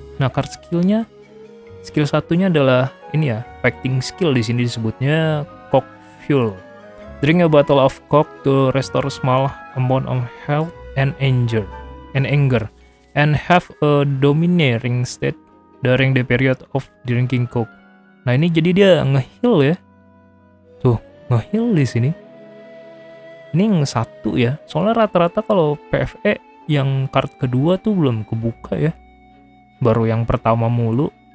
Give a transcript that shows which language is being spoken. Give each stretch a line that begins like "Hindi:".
Indonesian: Nah, card skillnya, skill satunya adalah ini ya, fighting skill di sini disebutnya Cock Fuel.
English: Drink a bottle of cock to restore small amount of health and anger, and have a domineering state during the period of drinking cock.
Indonesian: Nah, ini jadi dia ngeheal ya. Tuh, ngeheal di sini. Ini yang satu ya. Soalnya rata-rata kalau PvE yang card kedua tuh belum kebuka ya. Baru yang pertama mulu.